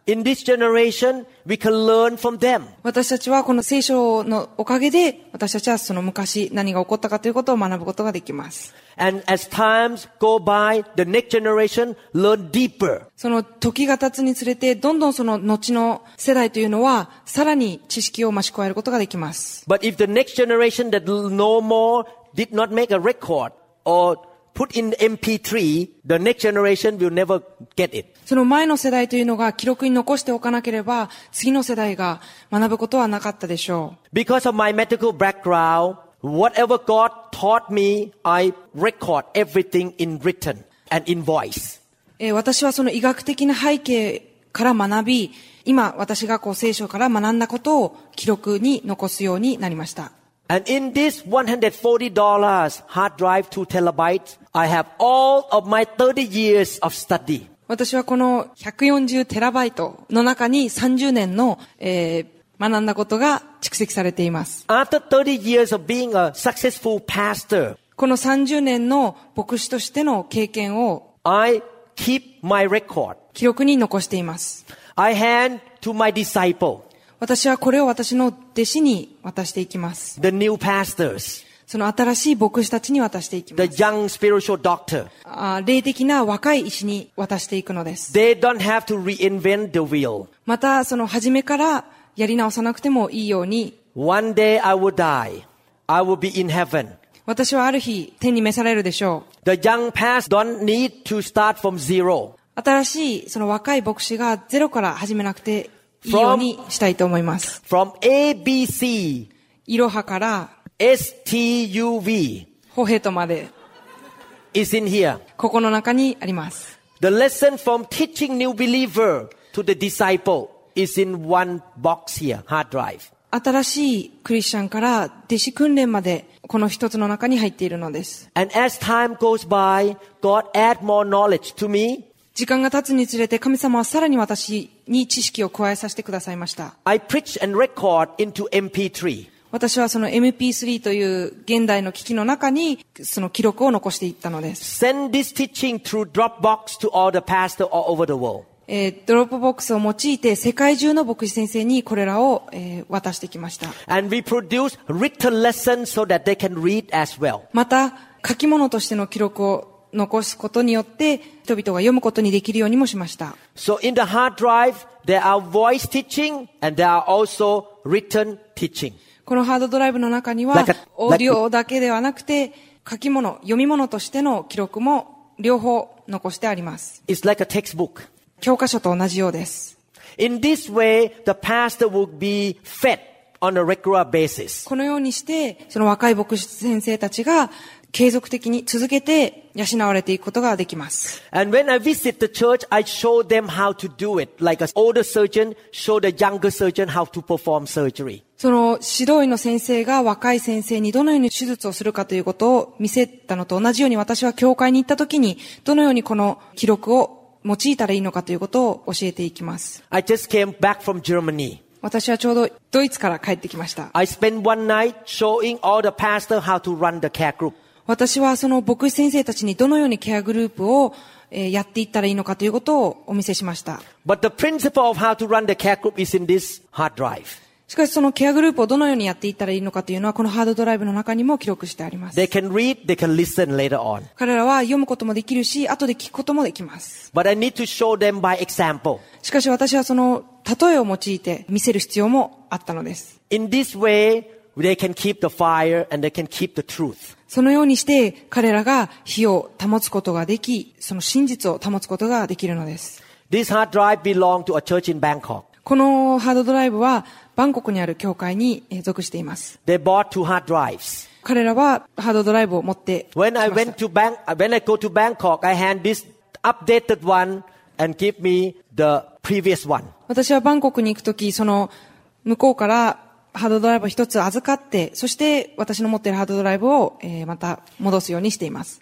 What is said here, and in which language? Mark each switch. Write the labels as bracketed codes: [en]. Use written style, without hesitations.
[en] In this generation, we can learn from them. [ja] 私たちはこの聖書のおかげで、私たちはその昔何が起こったかということを学ぶことができます。 [en] And as times go by, the next generation learn deeper. [ja] その時が経つにつれて、どんどんその後の世代というのは、さらに知識を増し加えることができます。 [en] But if the next generation that know more did not make a record or put in MP3, the next generation will never get it. [ja] その前の世代というのが記録に残しておかなければ、次の世代が学ぶことはなかったでしょう。 [en] Because of my medical background,Whatever God taught me, I record everything in written and in voice. [ja] 私はその医学的な背景から学び、今私がこう聖書から学んだことを記録に残すようになりました。 [en] And in this $140 hard drive 2 terabytes, I have all of my 30 years of study. [ja] 私はこの140テラバイトの中に30年の、学んだことが蓄積されています。 [en] After 30 years of being a successful pastor, [ja] この30年の牧師としての経験を [en] I keep my record. [ja] 記録に残しています。 [en] I hand to my disciple. [ja] 私はこれを私の弟子に渡していきます。 [en] The new pastors. [ja] その新しい牧師たちに渡していきます。 [en] The young spiritual doctor. [ja] 霊的な若い医師に渡していくのです。 [en] They don't have to reinvent the wheel. [ja] またその初めからやり直さなくてもいいように。 [en] One day I will die. I will be in heaven. [ja] 私はある日、天に召されるでしょう。 [en] The young pastor don't need to start from zero. [ja] 新しい、その若い牧師がゼロから始めなくていいようにしたいと思います。 [en] From ABC. [ja] いろはから [en] STUV. [ja] ホヘトまで。 [en] Is in here. [ja] ここの中にあります。 [en] The lesson from teaching new believer to the disciple. Is in one box here, hard drive. [ja] 新しいクリスチャンから弟子訓練までこの一つの中に入っているのです。 [en] And as time goes by, God add more knowledge to me. [ja] 時間が経つにつれて神様はさらに私に知識を加えさせてくださいました。 [en] I preach and record into MP3. [ja] 私はその MP3 という現代の機器の中にその記録を残していったのです。 [en] Send this teaching through Dropbox to all the pastors all over the world. [ja] ドロップボックスを用いて世界中の牧師先生にこれらを、渡してきました。 [en] And we produce written lessons so that they can read as well. [ja] また書き物としての記録を残すことによって人々が読むことにできるようにもしました。 [en] So in the hard drive, there are voice teaching and there are also written teaching. [ja] このハードドライブの中にはオーディオだけではなくて書き物、読み物としての記録も両方残してあります。 [en] It's like a textbook. [ja] 教科書と同じようです。 [en] In this way, the pastor will be fed on a regular basis. [ja] このようにして、その若い牧師先生たちが継続的に続けて養われていくことができます。 [en] And when I visit the church, I show them how to do it, like an older surgeon show the younger surgeon how to perform surgery. [ja] その指導医の先生が若い先生にどのように手術をするかということを見せたのと同じように、私は教会に行ったときにどのようにこの記録を用いたらいいのかということを教えていきます。 [en] I just came back from Germany. [ja] 私はちょうどドイツから帰ってきました。 [en] I spent one night showing all the pastor how to run the care group. [ja] 私はその牧師先生たちにどのようにケアグループをやっていったらいいのかということをお見せしました。 [en] But the principle of how to run the care group is in this hard drive. [ja] しかしそのケアグループをどのようにやっていったらいいのかというのはこのハードドライブの中にも記録してあります。 [en] They can read, they can listen later on. [ja] 彼らは読むこともできるし、後で聞くこともできます。 [en] But I need to show them by example. [ja] しかし私はその例えを用いて見せる必要もあったのです。 [en] In this way, they can keep the fire and they can keep the truth. [ja] そのようにして彼らが火を保つことができ、その真実を保つことができるのです。 [en] This hard drive belonged to a church in Bangkok. [ja] このハードドライブはバンコクにある教会に属しています。 [en] They bought two hard drives. [ja] 彼らはハードドライブを持って来ました。 [en] When I go to Bangkok, I hand this updated one and give me the previous one. [ja] 私はバンコクに行くとき、その向こうからハードドライブ一つ預かって、そして私の持っているハードドライブを、また戻すようにしています。